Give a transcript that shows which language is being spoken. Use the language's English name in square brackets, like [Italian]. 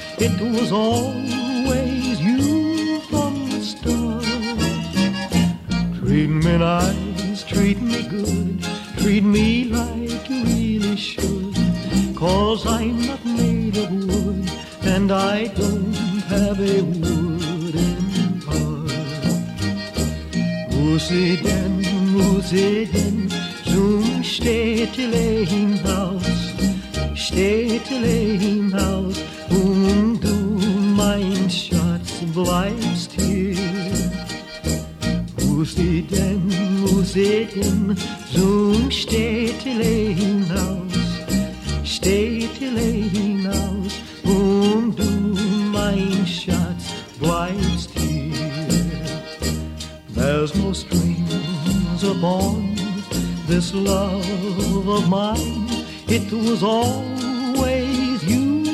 [English] It was all you from the start. Treat me nice, treat me good, treat me like you really should. Cause I'm not made of wood, and I don't have a wooden heart. [German] Muse den, zum Städtelehinhaus, Städtelehinhaus, und du mein Schatz bleibst hier. Muss ich denn, zum Städtelein aus, und du mein Schatz bleibst hier. [English] There's no strings upon this love of mine, it was always you.